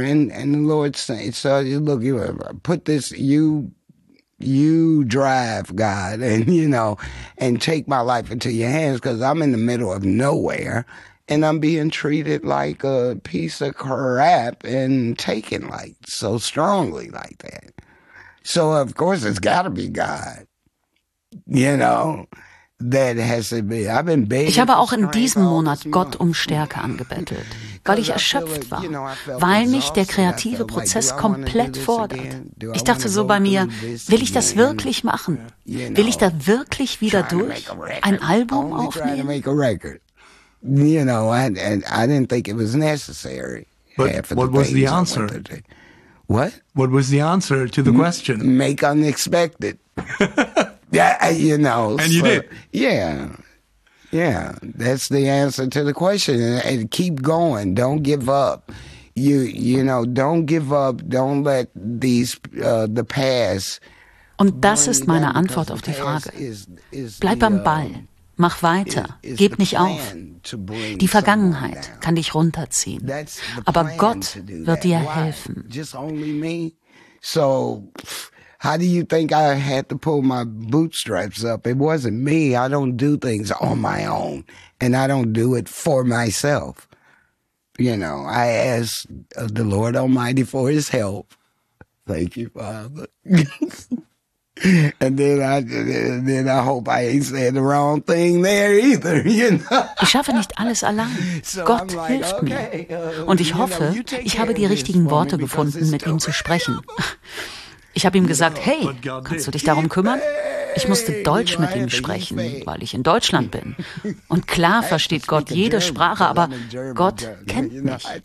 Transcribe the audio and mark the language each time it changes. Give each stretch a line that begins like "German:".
English: And the Lord said, look, you put this, you drive, God, and, you know, and take my life into your hands, because I'm in the middle of nowhere and I'm being treated like a piece of crap and taken like so strongly like that. So, of course, it's got to be God, you know.
German: Ich habe auch in diesem Monat Gott um Stärke angebettelt, weil ich erschöpft war, weil mich der kreative Prozess komplett fordert. Ich dachte so bei mir, will ich das wirklich machen? Will ich da wirklich wieder durch ein Album aufnehmen?
English: You know, I didn't think it was necessary. But what was the answer? What? What was the answer to the question? Make unexpected. Yeah, you know. And you did. Yeah. Yeah. That's the answer to the question. And keep going. Don't give up. You know, don't give up. Don't let the past.
German: Und das ist meine Antwort auf die Frage. Bleib am Ball. Mach weiter. Gib nicht auf. Die Vergangenheit kann dich runterziehen. Aber Gott wird dir helfen.
English: Just only me. So. How do you think I had to pull my bootstraps up? It wasn't me. I don't do things on my own. And I don't do it for myself. You know, I asked the Lord Almighty for his help. Thank you, Father. And then I hope I ain't said the wrong thing there either, you know.
German: Ich schaffe nicht alles allein. Gott hilft mir. Und ich hoffe, ich habe die richtigen Worte gefunden, mit ihm zu sprechen. Ich habe ihm gesagt, hey, kannst du dich darum kümmern? Ich musste Deutsch mit ihm sprechen, weil ich in Deutschland bin. Und klar versteht Gott jede Sprache, aber Gott kennt mich.